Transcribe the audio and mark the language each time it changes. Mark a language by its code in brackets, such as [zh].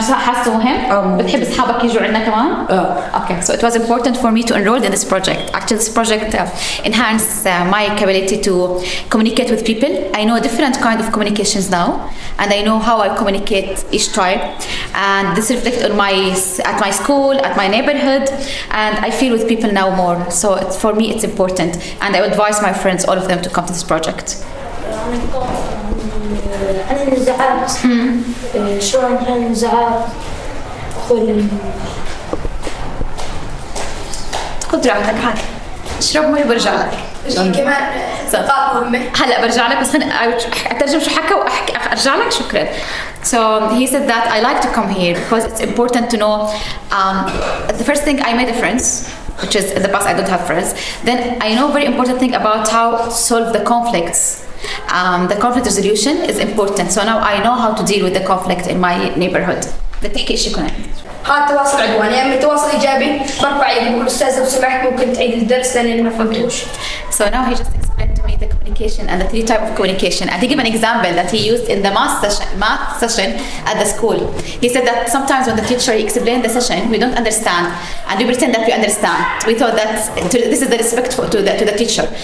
[ar] حاسة مهم؟ بتحب أصحابك يجوا عندنا كمان؟ Okay. [en] So it was important for me to enroll in this project. Actually, this project enhanced my capability to communicate with people. I know different kind of communications now. And I know how I communicate each tribe. And this reflects at my school, at my neighborhood. And I feel with people now more. So it's, for me, it's important. And I advise my friends, all of them, to come to this project. [ar] عن النزاعات شلون كان النزاعات خذ راحتك حاك اشرب مي وبرجع لك شيء كمان ثقافة مهمة. هلا برجع لك بس خليني أترجم شو حكى وأحكي أرجع لك شكرا. [en] So he said that I like to come here because it's important to know. The first thing I made a friends, which is in the past I don't have friends. Then I know very important thing about how to solve the conflicts. The conflict resolution is important. So now I know how to deal with the conflict in my neighborhood. [ar] بتحكي إيش يكون عندك؟ هذا تواصل عدواني يعني تواصل إيجابي برفع يقول أستاذ لو سمحت ممكن تعيد الدرس لأني ما فهمتوش. [en] So now he just explained to me the communication and the three types of communication. And he gave an example that he used in the math session at the school. He said that sometimes when the teacher explains the session, we don't understand. And we pretend that we understand. We thought that this is the respect to the teacher.